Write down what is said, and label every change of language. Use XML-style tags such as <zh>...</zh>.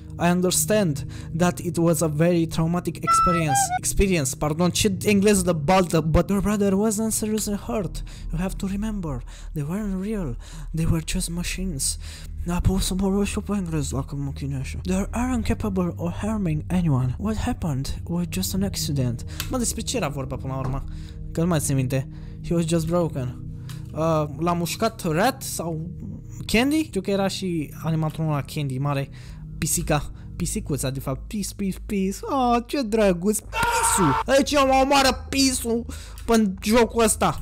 <en>I understand that it was a very traumatic experience, pardon,</en> <ro>ce engleză de baltă,</ro> <en>but your brother wasn't seriously hurt, you have to remember, they weren't real, they were just machines.</en> <ro>Dar pot să vorbesc și pe engleză dacă mă chinui așa.</ro> <en>They aren't capable of harming anyone, what happened was just an accident.</en> <ro>Mă, despre ce era vorba până la urmă, că nu mai țin minte,</ro> <en>he was just broken.</en> <ro>L-a mușcat Rat sau Candy? Știu că era și animatorul ăla Candy mare. Pisica, pisicuța de fapt, pis, pis, pis, oh, ce drăguț, pisul, aici mă omoară pisul în jocul ăsta.</ro>